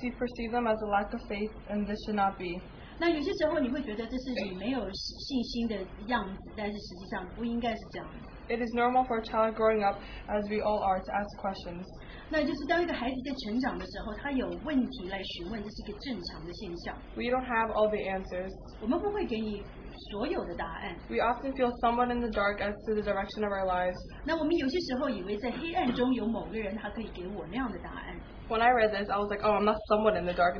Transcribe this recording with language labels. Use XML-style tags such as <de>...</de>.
<en>you perceive them as a lack of faith, and this should not be.</en> <zh>那有些时候你会觉得这是你没有信心的样子，但是实际上不应该是这样。</zh> <en>It is normal for a child growing up, as we all are, to ask questions.</en> <zh>那就是当一个孩子在成长的时候，他有问题来询问，这是一个正常的现象。</zh> <en>We don't have all the answers.</en> <zh>我们不会给你所有的答案。</zh> <en>We often feel somewhat in the dark as to the direction of our lives.</en> <zh>那我们有些时候以为在黑暗中有某个人，他可以给我那样的答案。</zh> <en>When I read this, I was like, oh, I'm not somewhat in the dark.</en>